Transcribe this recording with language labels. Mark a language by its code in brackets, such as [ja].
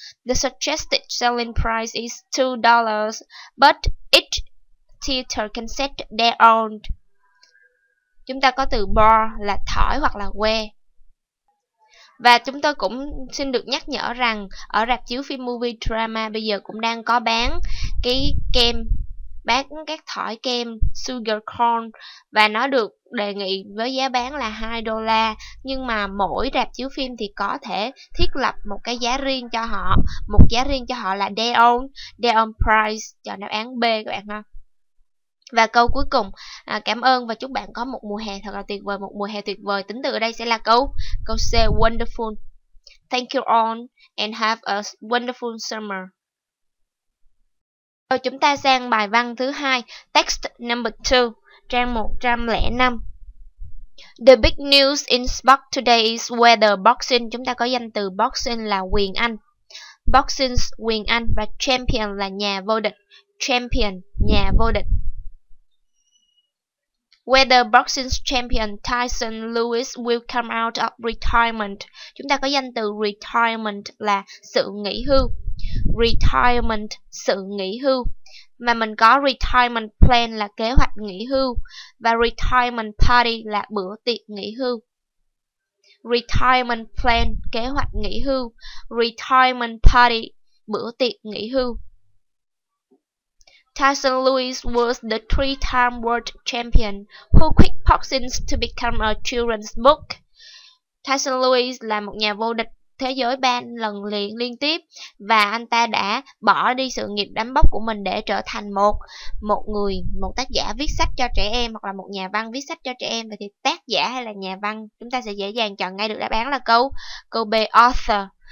[en] The suggested selling price is $2, but each theater can set their own. [vi] Chúng ta có từ bar là thổi hoặc là que. Và chúng tôi cũng xin được nhắc nhở rằng ở rạp chiếu phim movie drama bây giờ cũng đang có bán cái kem, bán các thỏi kem sugar corn, và nó được đề nghị với giá bán là $2, nhưng mà mỗi rạp chiếu phim thì có thể thiết lập một cái giá riêng cho họ, một giá riêng cho họ là [en] their own price. [vi] Chọn đáp án B các bạn ha. Và câu cuối cùng, cảm ơn và chúc bạn có một mùa hè thật là tuyệt vời, một mùa hè tuyệt vời. Tính từ ở đây sẽ là câu C, wonderful. [en] Thank you all and have a wonderful summer. [vi] Rồi chúng ta sang bài văn thứ hai, [en] text number 2, [vi] trang 105. [en] The big news in sport today is whether boxing, [vi] chúng ta có danh từ boxing là quyền Anh. Boxing's quyền Anh, và champion là nhà vô địch. Champion, nhà vô địch. [en] Whether boxing's champion Tyson Lewis will come out of retirement. [vi] Chúng ta có danh từ retirement là sự nghỉ hưu. Retirement, sự nghỉ hưu. Mà mình có retirement plan là kế hoạch nghỉ hưu, và retirement party là bữa tiệc nghỉ hưu. Retirement plan, kế hoạch nghỉ hưu. Retirement party, bữa tiệc nghỉ hưu. [en] Tyson Lewis was the three-time world champion who quit boxing to become a children's book. [vi] Tyson Lewis là một nhà vô địch thế giới 3 lần liên tiếp, và anh ta đã bỏ đi sự nghiệp đánh bóc của mình để trở thành một tác giả viết sách cho trẻ em, hoặc là một nhà văn viết sách cho trẻ em. Vậy thì tác giả hay là nhà văn, chúng ta sẽ dễ dàng chọn ngay được đáp án là câu B, author.